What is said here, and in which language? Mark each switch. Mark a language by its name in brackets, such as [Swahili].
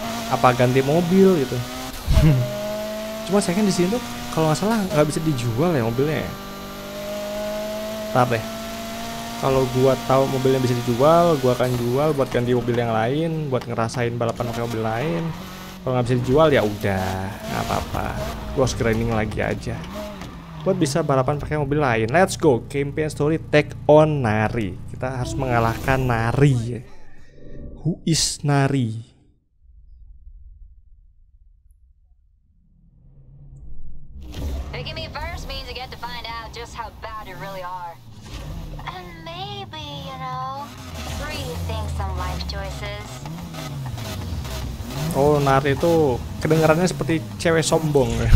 [Indonesian] Apa ganti mobil gitu? Cuma saya kan di sini tuh kalau nggak salah nggak bisa dijual ya mobilnya. Ntar deh. Kalau gue tahu mobilnya bisa dijual, gue akan jual buat ganti mobil yang lain, buat ngerasain balapan pakai mobil lain. Kalau nggak bisa dijual ya udah, nggak apa-apa. Gue harus grinding lagi aja. Buat bisa balapan pakai mobil lain. [English] Let's go. Campaign story take on Nari. [Indonesian] Kita harus mengalahkan Nari. [English] Who is Nari? Picking me first means you get to find out just how bad you really are. And maybe, you know, rethink some life choices. [Indonesian] Oh, Nari itu kedengarannya seperti cewek sombong.